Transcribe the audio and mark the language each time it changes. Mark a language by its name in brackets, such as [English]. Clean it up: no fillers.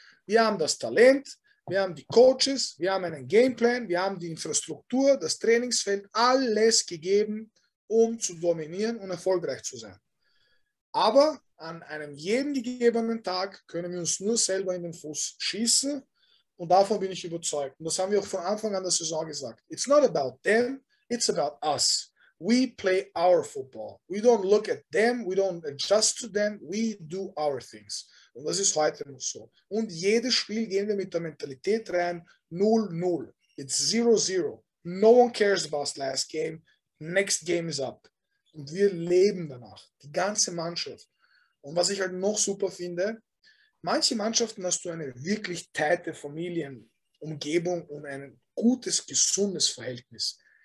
[German] Wir haben das Talent, wir haben die Coaches, wir haben einen Gameplan, wir haben die Infrastruktur, das Trainingsfeld, alles gegeben, um zu dominieren und erfolgreich zu sein. Aber an einem jeden gegebenen Tag können wir uns nur selber in den Fuß schießen. Und davon bin ich überzeugt. Und das haben wir auch von Anfang an der Saison gesagt. [English] It's not about them, it's about us. We play our football. We don't look at them, we don't adjust to them, we do our things. [German] Und das ist heute noch so. Und jedes Spiel gehen wir mit der Mentalität rein, 0-0. [English] It's 0-0. No one cares about last game. Next game is up. [German] Und wir leben danach. Die ganze Mannschaft. Und was ich halt noch super finde, manche Mannschaften hast du eine wirklich tighte Familienumgebung und ein gutes, gesundes Verhältnis.